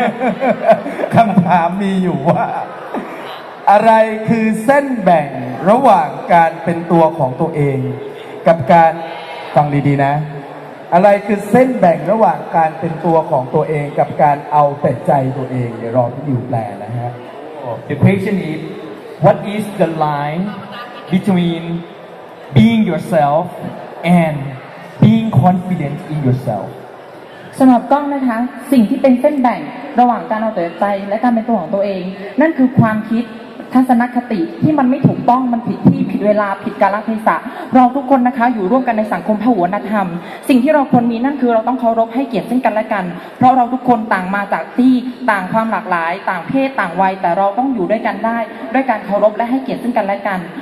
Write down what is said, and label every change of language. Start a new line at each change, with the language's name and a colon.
Thai: คำถามมีอยู่ว่าอะไรคือเส้นแบ่งระหว่างการเป็นตัวของตัวเองกับการฟังดีๆนะอะไรคือเส้นแบ่งระหว่างการเป็นตัวของตัวเองกับการเอาแต่ใจตัวเองเดี๋ยวรอที่อยู่แปลนะฮะ
English: The patient is what is the line betweenBeing yourself and being confident in yourself.
Thai: สำหรับกล้องนะคะสิ่งที่เป็นเส้นแบ่งระหว่างการเอาแต่ใจและการเป็นตัวของตัวเองนั่นคือความคิดทัศนคติที่มันไม่ถูกต้องมันผิดที่ผิดเวลาผิดกาลเทศะเราทุกคนนะคะอยู่ร่วมกันในสังคมพหุวัฒนธรรมสิ่งที่เราควรมีนั่นคือเราต้องเคารพให้เกียรติซึ่งกันและกันเพราะเราทุกคนต่างมาจากที่ต่างความหลากหลายต่างเพศต่างวัยแต่เราต้องอยู่ด้วยกันได้ด้วยการเคารพและให้เกียรติซึ่งกันและกัน